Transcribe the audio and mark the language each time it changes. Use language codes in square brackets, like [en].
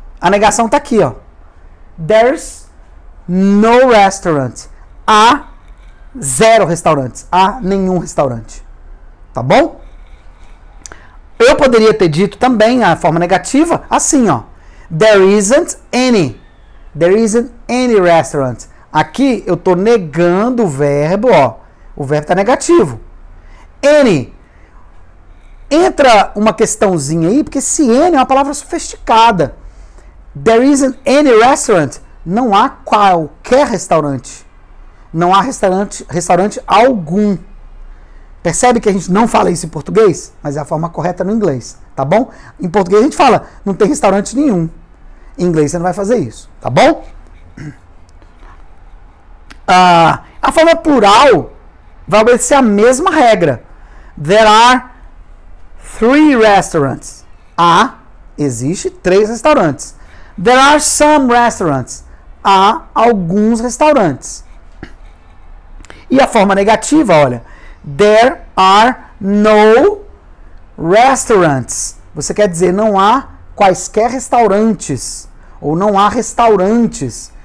[pt] A negação está aqui, ó. [en] There's no restaurant. [pt] A zero restaurantes. Há nenhum restaurante. Tá bom? Eu poderia ter dito também a forma negativa assim, ó. [en] There isn't any. There isn't any restaurant. [pt] Aqui eu tô negando o verbo, ó. O verbo tá negativo. Any. Entra uma questãozinha aí, porque se any é uma palavra sofisticada. [en] There isn't any restaurant. [pt] Não há qualquer restaurante. Não há restaurante algum. Percebe que a gente não fala isso em português? Mas é a forma correta no inglês, tá bom? Em português a gente fala, não tem restaurante nenhum. Em inglês você não vai fazer isso, tá bom? Ah, a forma plural vai obedecer a mesma regra. [en] There are three restaurants. [pt] Há, existe três restaurantes. [en] There are some restaurants. [pt] Há alguns restaurantes. E a forma negativa, olha, [en] there are no restaurants. [pt] Você quer dizer não há quaisquer restaurantes ou não há restaurantes.